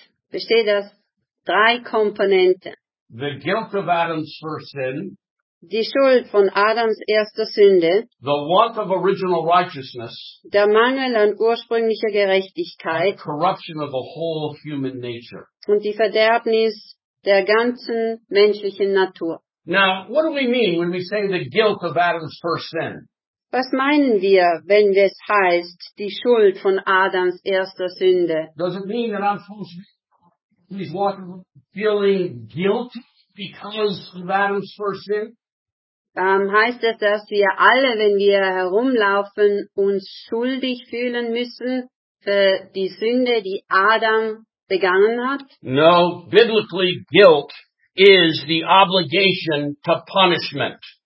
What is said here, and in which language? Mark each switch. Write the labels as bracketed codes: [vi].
[de] Besteht aus drei Komponenten. [en] The guilt of Adam's first sin. [de] Die Schuld von Adams erster Sünde. [en] The want of original righteousness. [de] Der Mangel an ursprünglicher Gerechtigkeit. [en] The corruption of the whole human nature. [de] Und die Verderbnis der ganzen menschlichen Natur. [en] Now, what do we mean when we say the guilt of Adam's first sin? [de] Was meinen wir, wenn es heißt, die Schuld von Adams erster Sünde? [en] Does it mean that I'm supposed to be feeling guilty because of Adam's first sin? [de] Heißt es, dass wir alle, wenn wir herumlaufen, uns schuldig fühlen müssen für die Sünde, die Adam begangen hat? [en] No, biblically guilt is the obligation to punishment.